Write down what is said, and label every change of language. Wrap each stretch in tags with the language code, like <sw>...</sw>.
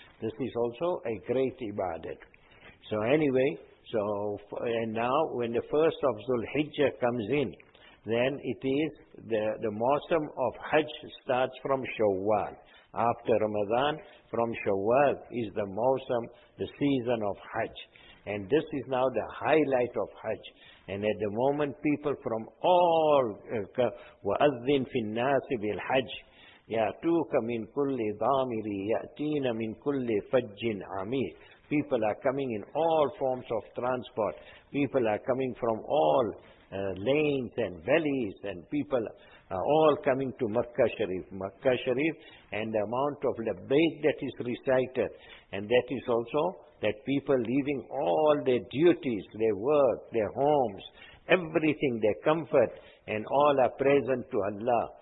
<en>This is also a great ibadat. So anyway, and now when the first of Dhulhijjah comes in, then it is the mausam of Hajj starts from Shawwal. After Ramadan, from Shawwal is the mausam, the season of Hajj. And this is now the highlight of Hajj. And at the moment, people from all</en> <ar>وَأَذِّنْ فِي النَّاسِ بِالْحَجِّ يَأْتُوكَ مِنْ كُلِّ ضَامِرِ يَأْتِينَ مِنْ كُلِّ فَجٍّ عَمِيرٍ.</ar> <en>People are coming in all forms of transport. People are coming from all lanes and valleys, and people are all coming to Makkah Sharif. Makkah Sharif, and the amount of labbaik that is recited, and that is also that people leaving all their duties, their work, their homes, everything, their comfort, and all are present to Allah.</en>